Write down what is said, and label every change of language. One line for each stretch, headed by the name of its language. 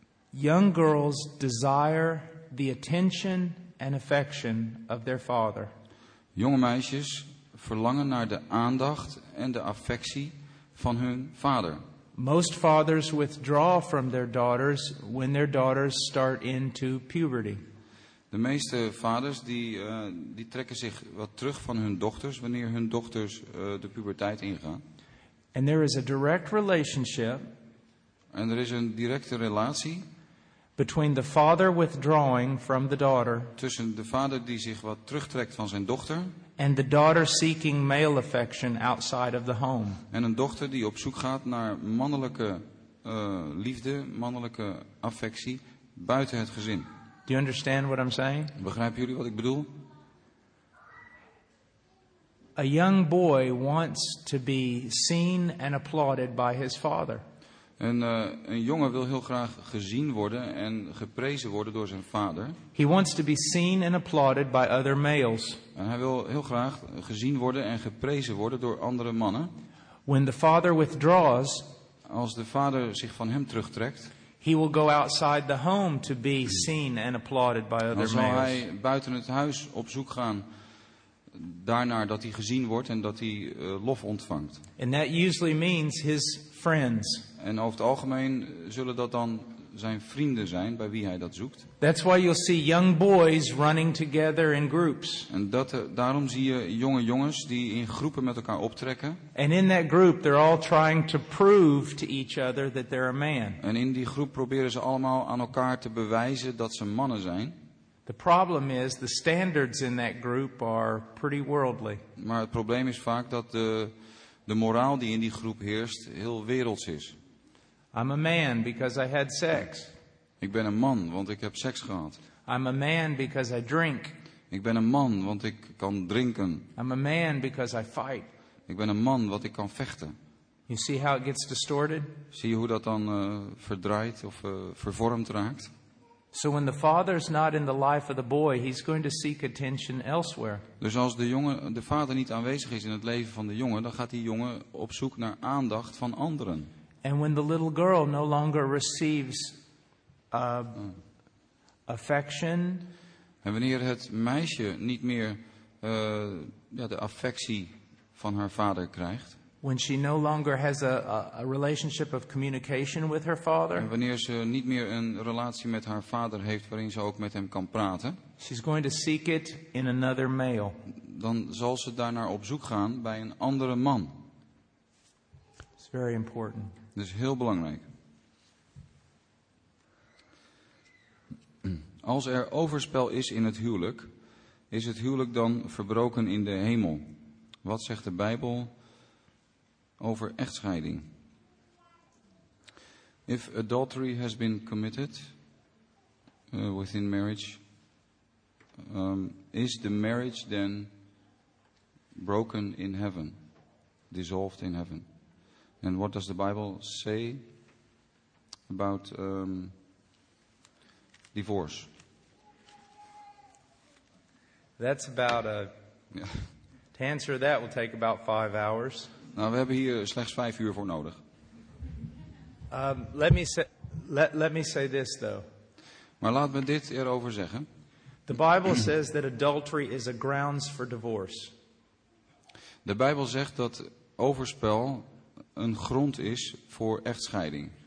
English: Young girls desire the attention and affection of their father.
Dutch: Jonge meisjes verlangen naar de aandacht en de affectie van hun vader.
English: Most fathers withdraw from their daughters when their daughters start into puberty.
Dutch: De meeste vaders die trekken zich wat terug van hun dochters wanneer hun dochters de puberteit ingaan.
English: And there is a direct relationship.
Dutch: En er is een directe relatie.
English: Between the father withdrawing from the daughter.
Dutch: Tussen de vader die zich wat terugtrekt van zijn dochter.
English: And the daughter seeking male affection outside of the home.
Dutch: En een dochter die op zoek gaat naar mannelijke liefde, mannelijke affectie buiten het gezin.
English: Do you understand what I'm saying?
Dutch: Begrijpen jullie wat ik bedoel?
English: A young boy wants to be seen and applauded by his father.
Dutch: Een jongen wil heel graag gezien worden en geprezen worden door zijn vader.
English: He wants to be seen and applauded by other males.
Dutch: En hij wil heel graag gezien worden en geprezen worden door andere mannen.
English: When the father withdraws,
Dutch: als de vader zich van hem terugtrekt,
English: he will go outside the home to be seen and applauded by other males.
Dutch: Dan zal hij buiten het huis op zoek gaan daarnaar dat hij gezien wordt en dat hij lof ontvangt.
English: And that usually means his friends.
Dutch: En over het algemeen zullen dat dan zijn vrienden zijn bij wie hij dat zoekt.
English: That's why you'll see young boys running together in groups.
Dutch: En daarom zie je jonge jongens die in groepen met elkaar optrekken.
English: And in that group they're all trying to prove to each other that they're a man.
Dutch: En in die groep proberen ze allemaal aan elkaar te bewijzen dat ze mannen zijn.
English: The problem is the standards in that group are pretty worldly.
Dutch: Maar het probleem is vaak dat de moraal die in die groep heerst heel werelds is.
English: I'm a man because I had sex.
Dutch: Ik ben een man want ik heb seks gehad.
English: I'm a man because I drink.
Dutch: Ik ben een man want ik kan drinken.
English: I'm a man because I fight.
Dutch: Ik ben een man want ik kan vechten.
English: You see how it gets distorted?
Dutch: Zie je hoe dat dan verdraaid of vervormd raakt?
English: So when the father's not in the life of the boy, he's going to seek attention elsewhere.
Dutch: Dus als de vader niet aanwezig is in het leven van de jongen, dan gaat die jongen op zoek naar aandacht van anderen.
English: And when the little girl no longer receives affection.
Dutch: En wanneer het meisje niet meer de affectie van haar vader krijgt.
English: When she no longer has a relationship of communication with her father.
Dutch: En wanneer ze niet meer een relatie met haar vader heeft waarin ze ook met hem kan praten.
English: She's going to seek it in another male.
Dutch: Dan zal ze daarnaar op zoek gaan bij een andere man.
English: It's very important.
Dutch: Dat is heel belangrijk. Als er overspel is in het huwelijk, Is het huwelijk dan verbroken in de hemel? Wat zegt de Bijbel over echtscheiding?
English: If adultery has been committed within marriage, is the marriage then broken in heaven, dissolved in heaven? And what does the Bible say about divorce? That's about a... Yeah. To answer that will take about 5 hours.
Dutch: Nou, we hebben hier slechts 5 uur voor nodig.
English: Let me say this though.
Dutch: Maar laat me dit erover zeggen.
English: The Bible says that adultery is a grounds for divorce.
Dutch: De Bijbel zegt dat overspel een grond is voor echtscheiding.